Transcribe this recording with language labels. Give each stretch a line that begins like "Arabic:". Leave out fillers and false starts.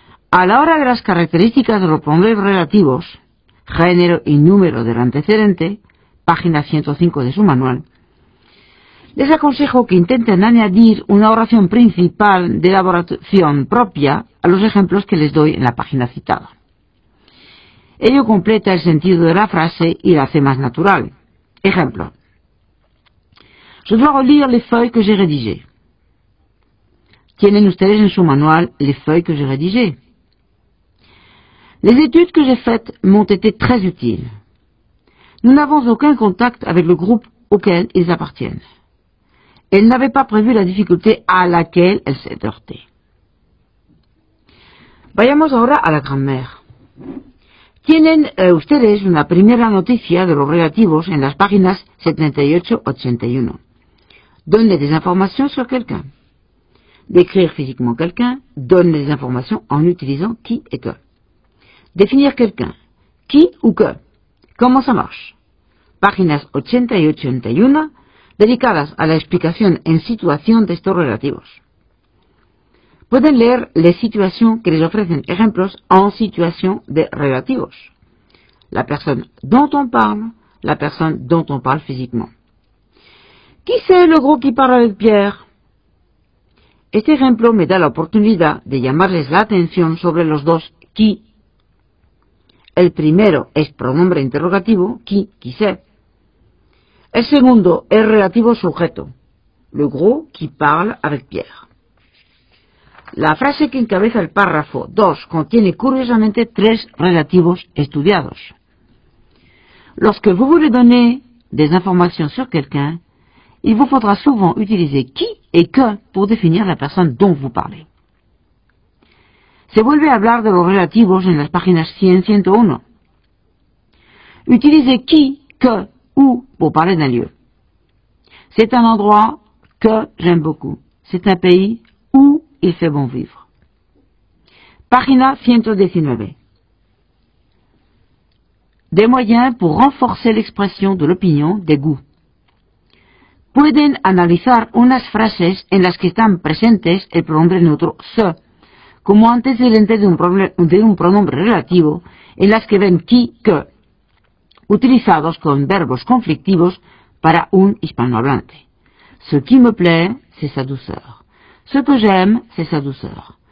Spanish: A la hora de las características de los pronombres relativos, género y número del antecedente, página 105 de su manual, les aconsejo que intenten añadir una oración principal de elaboración propia a los ejemplos que les doy en la página citada. Ello completa el sentido de la frase y la hace más natural. Ejemplo.
French: Je dois relire les feuilles que j'ai rédigées.
Spanish: ¿Tienen ustedes en su manual
French: les feuilles que j'ai rédigées? Les études que j'ai faites m'ont été très utiles. Nous n'avons aucun contact avec le groupe auquel ils appartiennent. Elle n'avait pas prévu la difficulté à laquelle elle s'est heurtée.
Spanish: Vayamos ahora a la grammaire. Tienen ustedes una primera noticia de los relativos en las páginas 78-81.
French: Donner des informations sur quelqu'un. Décrire physiquement quelqu'un. Donner des informations en utilisant qui et que. Définir quelqu'un. Qui ou que. Comment ça marche.
Spanish: Páginas 80 y 81, dedicadas a la explicación en situación de estos relativos. Pueden leer la situación que les ofrecen ejemplos en situación de relativos. La persona
French: dont on parle,
Spanish: la persona
French: dont on parle
Spanish: físicamente.
French: ¿Qui c'est le gros qui parle avec Pierre?
Spanish: Este ejemplo me da la oportunidad de llamarles la atención sobre los dos qui. El primero es pronombre interrogativo, qui, quise. El segundo es relativo sujeto,
French: le gros qui parle avec Pierre.
Spanish: La frase que encabeza el párrafo 2 contiene curiosamente tres relativos estudiados.
French: Lorsque vous voulez donner des informations sur quelqu'un, il vous faudra souvent utiliser qui et que pour définir la personne dont vous parlez.
Spanish: Se vuelve a hablar de los relativos en las páginas 100-101.
French: Utilisez qui, que, où pour parler d'un lieu. C'est un endroit que j'aime beaucoup. C'est un pays où il fait bon vivre.
Spanish: Página 119.
French: Des moyens pour renforcer l'expression de l'opinion des goûts.
Spanish: Pueden analizar unas frases en las que están presentes el pronombre neutro se, como antecedente de un pronombre relativo, en las que ven qui, que, utilizados con verbos conflictivos para un hispanohablante.
French: Ce qui me plaît, c'est sa douceur. Ce que j'aime, c'est sa douceur.